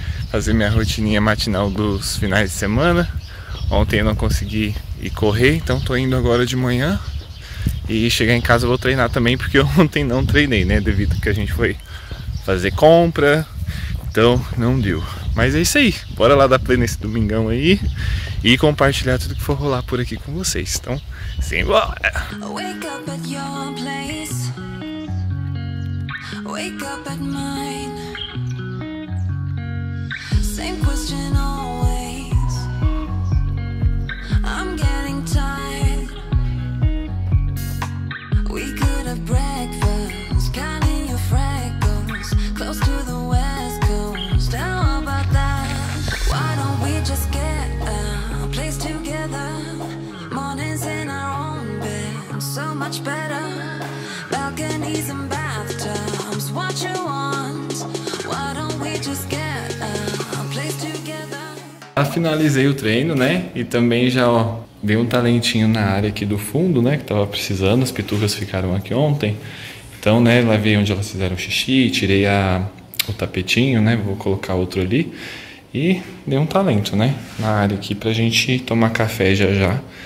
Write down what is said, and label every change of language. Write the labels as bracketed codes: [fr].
[pt] Fazer minha rotininha matinal dos finais de semana. Ontem eu não consegui ir correr, então estou indo agora de manhã. E chegar em casa eu vou treinar também, porque ontem não treinei, né? Devido que a gente foi fazer compra, então não deu. Mas é isso aí, bora lá dar play nesse domingão aí e compartilhar tudo que for rolar por aqui com vocês. Então, simbora! [en] Wake up at your place, wake up at mine. Same question always, I'm getting tired. We could have breakfast, counting your freckles, close to the west coast. How about that? Why don't we just get a place together? Mornings in our own bed, so much better. Balconies and bathtubs, what you want? Why don't we just get a place together? [pt] Já finalizei o treino, né? E também já, ó, dei um talentinho na área aqui do fundo, né, que tava precisando, as pitucas ficaram aqui ontem. Então, né, lavei onde elas fizeram xixi, tirei o tapetinho, né, vou colocar outro ali. E dei um talento, né, na área aqui pra gente tomar café já já.